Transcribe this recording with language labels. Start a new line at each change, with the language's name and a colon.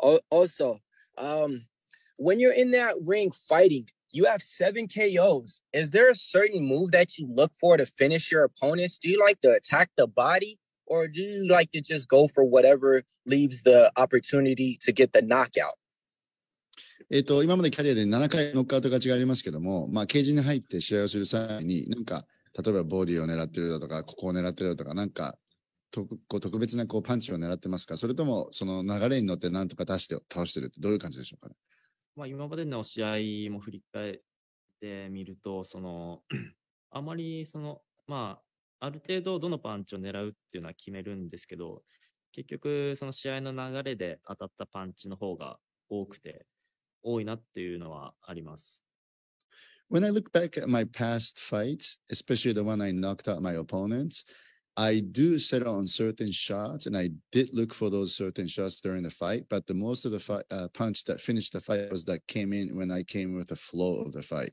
English: Also, when you're in that ring fighting, you have 7 KOs. Is there a certain move that you look for to finish your opponents? Do you like to attack the body, or do you like to just go for whatever leaves the opportunity to get the knockout?
Japanese: 今までキャリアで7回ノックアウト勝ちがありますけども、まあ、ケージに入って試合をする際に、なんか、例えばボディを狙ってるだとか、ここを狙ってるだとか、なんか、特別なこうパンチを狙ってますか、それともその流れに乗ってなんとか出して倒してるって、どういう感じでしょうかね。まあ、今までの試合も振り返ってみると、その、あまりその、まあ、ある程度どのパンチを狙うっていうのは決めるんですけど、結局、その試合の流れで当たったパンチの方が多くて、多いなっていうのはあります。
English: When I look back at my past fights, especially the one I knocked out my opponents, I do settle on certain shots and I did look for those certain shots during the fight, but the most of the punch that finished the fight was that came in when I came with the flow of the fight.